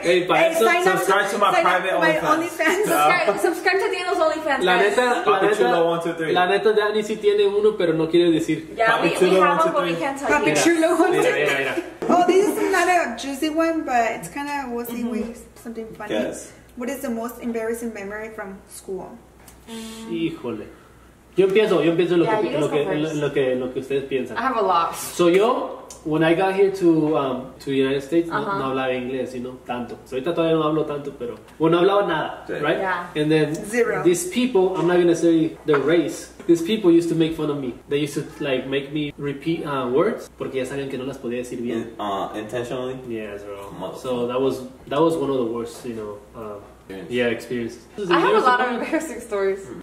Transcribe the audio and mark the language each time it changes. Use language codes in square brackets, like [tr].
[en] Hey, but hey, subscribe to my private OnlyFans. Subscribe to Daniel's OnlyFans. [es] La neta, la neta, Danny sí tiene uno, pero no quiere decir. [en] Yeah, we have one, but we can't tell you. Oh, this is not a juicy one, but it's kind of, we'll see, something funny. Yes. What is the most embarrassing memory from school? [es] Híjole. Yo empiezo lo que ustedes piensan. [en] I have a lot. So yo, when I got here to the United States, [es] no hablaba inglés, [en] you know, tanto. [es] So ahorita todavía no hablo tanto, pero, bueno, no hablaba nada, right? [en] Yeah. And then, zero. These people, I'm not going to say their race, these people used to make fun of me. They used to, like, make me repeat words, [es] porque ya sabían que no las podía decir bien. [en] Intentionally? Yes, bro. So that was one of the worst, you know, experiences. I have a lot of embarrassing stories.